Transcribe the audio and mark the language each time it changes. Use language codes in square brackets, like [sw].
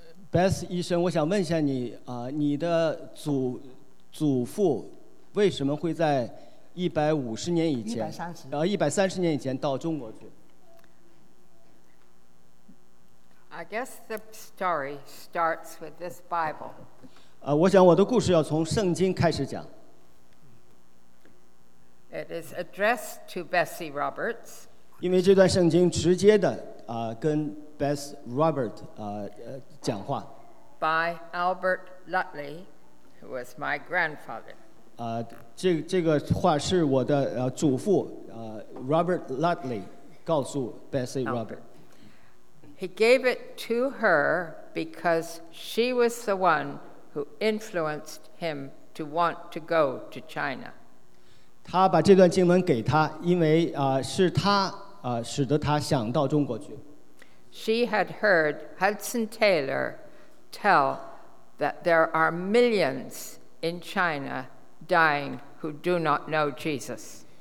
[zh] Beth 医生，我想问一下你，你的祖父为什么会在130年以前到中国去？ [en] I guess the story starts with this Bible. [zh] 我想我的故事要从圣经开始讲。 [en] It is addressed to Bessie Roberts. [zh] 因为这段圣经直接的跟 Bess Robert 讲话。 [en] By Albert Lutley, who was my grandfather. [zh] 这个话是我的祖父Robert Lutley 告诉 Bessie Robert. [en] He gave it to her because she was the one who influenced him to want to go to China. [zh] 他把这段经文给他，因为是他使得他想到中国去。 [en] She had heard Hudson Taylor tell that there are millions in China dying who do not know Jesus.